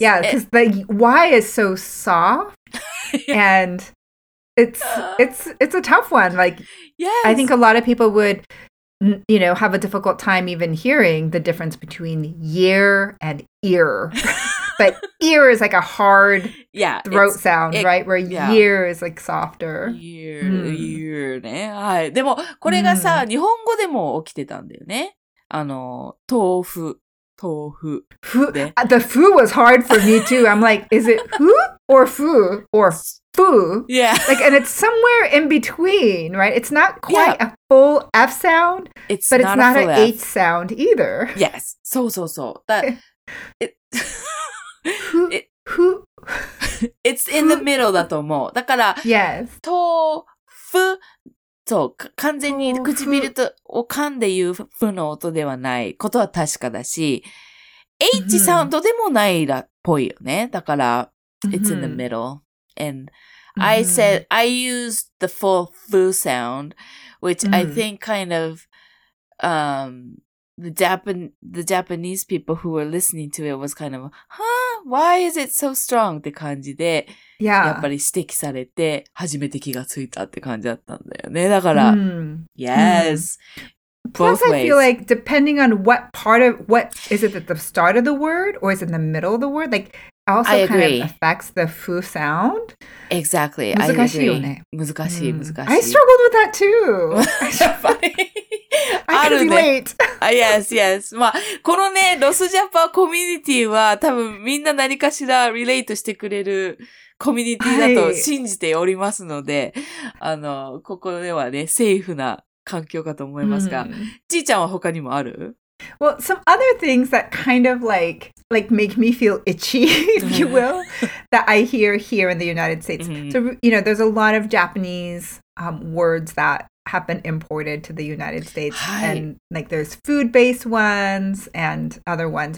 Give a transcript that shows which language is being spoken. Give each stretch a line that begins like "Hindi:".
English: Yeah, because the y is so soft and it's a tough one. Like, yes. I think a lot of people would, you know, have a difficult time even hearing the difference between year and ear. But ear is like a hard throat sound, right? Where year is like softer.
Japanese: Year, ね。はい。でも、これがさ、日本語でも起きてたんだよね。豆腐。
English: The fu was hard for me too. I'm like, is it fu or fu or fu? Yeah. Like, and it's somewhere in between, right? It's not quite a full F sound, but it's not an H sound either. Yes. So. That, it's in the middle,
Japanese: だと思う。だから、
English: yes.
Japanese: 豆腐、そう、完全に唇とを噛んで言う「ふ」の音ではないことは確かだし、H サウンドでもないらっぽいよね。だから、
English: it's in the middle. And I said, I used the full fu sound, which I think kind of, the Japanese people who were listening to it was kind of, huh, why is it so strong?
Japanese: って感じで、
English: yeah.
Japanese: やっぱり指摘されて、初めて気がついたって感じだったんだよね。だから、yes.
English: Plus, I feel like depending on what part of, what, is it at the start of the word or is it in the middle of the word? Like, also kind of affects the fu sound. Exactly.
Japanese: 難しいよね。難しい。
English: I struggled with that too. Funny. I can relate. Yes, yes.
Japanese: まあ、このね、ロスジャパンコミュニティは多分みんな何かしらリレートしてくれるコミュニティだと信じておりますので、ここではね、セーフな環境かと思いますが、ちーちゃんは他にもある?
English: Well, some other things that kind of like make me feel itchy, if you will, that I hear here in the United States. So, you know, there's a lot of Japanese words that have been imported to the United States. And like there's food-based ones and other ones.